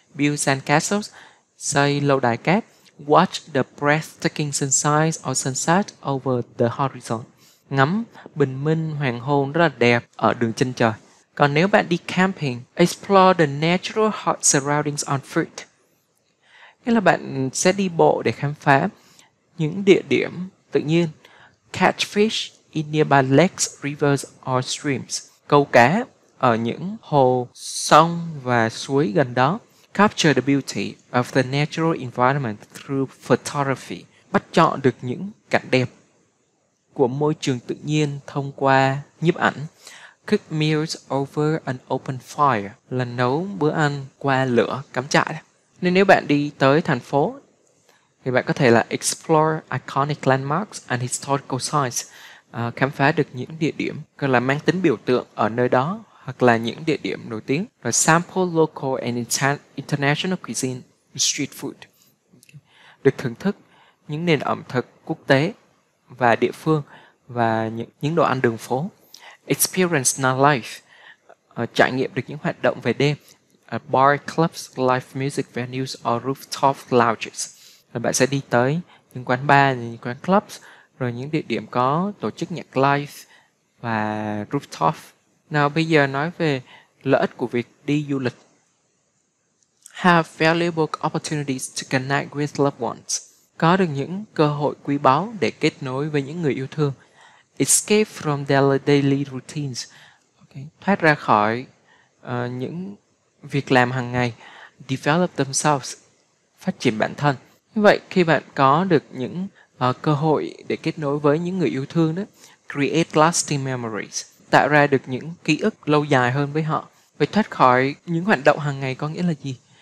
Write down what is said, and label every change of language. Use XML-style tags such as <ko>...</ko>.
<en>Build sandcastles,</en> <vi>xây lâu đài cát.</vi> <en>Watch the breathtaking sunrise or sunset over the horizon,</en> <vi>ngắm bình minh hoàng hôn rất là đẹp ở đường chân trời. Còn nếu bạn đi</vi> <en>camping, explore the natural hot surroundings on foot.</en> <vi>Nghĩa là bạn sẽ đi bộ để khám phá những địa điểm tự nhiên.</vi> <en>Catch fish in nearby lakes, rivers or streams.</en> <vi>Câu cá ở những hồ, sông và suối gần đó.</vi> <en>Capture the beauty of the natural environment through photography.</en> <vi>Bắt chọn được những cảnh đẹp của môi trường tự nhiên thông qua nhiếp ảnh.</vi> <en>Cook meals over an open fire,</en> <vi>là nấu bữa ăn qua lửa cắm trại. Nên nếu bạn đi tới thành phố thì bạn có thể là</vi> <en>explore iconic landmarks and historical sites,</en> <vi>khám phá được những địa điểm gọi là mang tính biểu tượng ở nơi đó hoặc là những địa điểm nổi tiếng. Rồi</vi> <en>sample local and international cuisine, street food,</en> <vi>được thưởng thức những nền ẩm thực quốc tế và địa phương và những đồ ăn đường phố. Experience nightlife, trải nghiệm được những hoạt động về đêm, bar, clubs, live music venues or rooftop lounges. Rồi bạn sẽ đi tới những quán bar, những quán clubs, rồi những địa điểm có tổ chức nhạc live và rooftop. Nào bây giờ nói về lợi ích của việc đi du lịch.</vi> <en>Have valuable opportunities to connect with loved ones.</en> <vi>Có được những cơ hội quý báu để kết nối với những người yêu thương.</vi> <en>Escape from their daily routines. Okay.</en> <vi>Thoát ra khỏi những việc làm hàng ngày.</vi> <en>Develop themselves.</en> <vi>Phát triển bản thân. Như vậy, khi bạn có được những cơ hội để kết nối với những người yêu thương đó,</vi> <en>create lasting memories.</en> <vi>Tạo ra được những ký ức lâu dài hơn với họ. Vậy thoát khỏi những hoạt động hàng ngày có nghĩa là gì?</vi>